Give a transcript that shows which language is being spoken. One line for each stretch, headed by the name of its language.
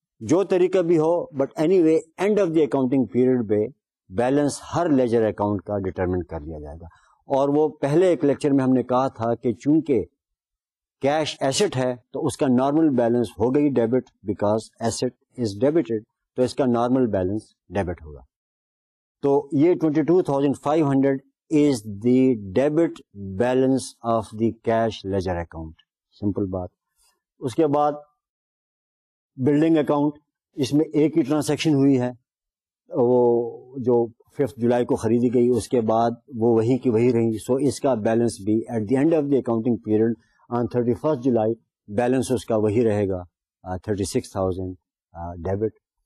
Urdu: جو طریقہ بھی ہو
English: but anyway end of the accounting period
Urdu: پہ بیلنس ہر لیجر اکاؤنٹ کا ڈٹرمن کر لیا جائے گا. اور وہ پہلے ایک لیکچر میں ہم نے کہا تھا کہ چونکہ کیش ایسٹ ہے تو اس کا نارمل بیلنس ہو گئی debit,
English: because asset is debited
Urdu: تو اس کا نارمل بیلنس ڈیبٹ ہوگا.
English: تو یہ 22,500 is the debit balance of the cash ledger account,
Urdu: simple بات. اس کے بعد بلڈنگ اکاؤنٹ, اس میں ایک ہی ٹرانزیکشن ہوئی ہے وہ جو 5 جولائی کو خریدی گئی, اس کے بعد وہ وہی کی وہی رہی, سو اس کا بیلنس بھی at the end of the accounting period on 31 July balance اس کا وہی رہے گا 36,000 ڈیبٹ.